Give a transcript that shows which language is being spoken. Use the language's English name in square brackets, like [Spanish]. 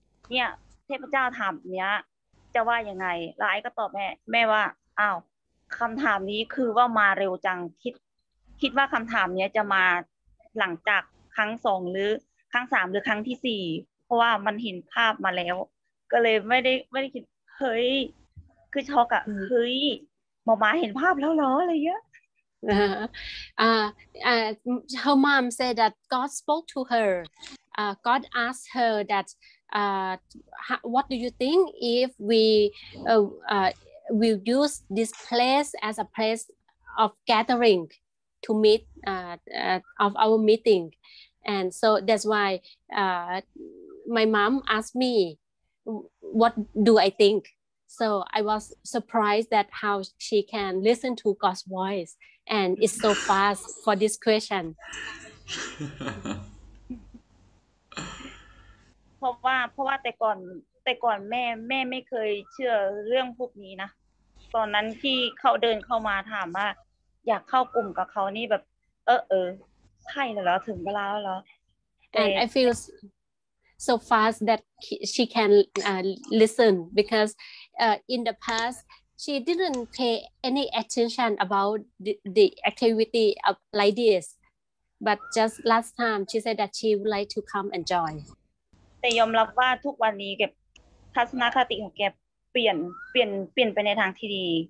[Thai] เนี่ยเทพเจ้าถามเนี้ยจะว่ายังไงแล้วไอซ์ก็ตอบแม่ว่าอ้าวคำถามนี้คือว่ามาเร็วจังคิดว่าคำถามเนี้ยจะมาหลังจากครั้ง2หรือครั้ง3หรือครั้งที่4เพราะว่ามันเห็นภาพมาแล้วก็เลยไม่ได้คิดเฮ้ยคือช็อกอ่ะเฮ้ยหมอมาเห็นภาพแล้วเหรออะไรเงี้ย [English] her mom said that God spoke to her God asked her that what do you think if we will use this place as a place of gatheringto meet of our meeting and so that's why my mom asked me what do I think so I was surprised that how she can listen to God's voice and it's so fast for this question [Thai] เพราะว่าแต่ก่อนแม่ไม่เคยเชื่อเรื่องพวกนี้นะตอนนั้นที่เขาเดินเข้ามาถามว่าอยากเข้ากลุ่มกับเขานี่แบบเออใช่แล้วถึงเวลาแล้ว [English] and I feel so fast that she can listen because in the past she didn't pay any attention about the activity of like this but just last time she said that she would like to come and join [Thai] แต่ยอมรับว่าทุกวันนี้แกบทัศนคติของแกเปลี่ยนไปในทางที่ดี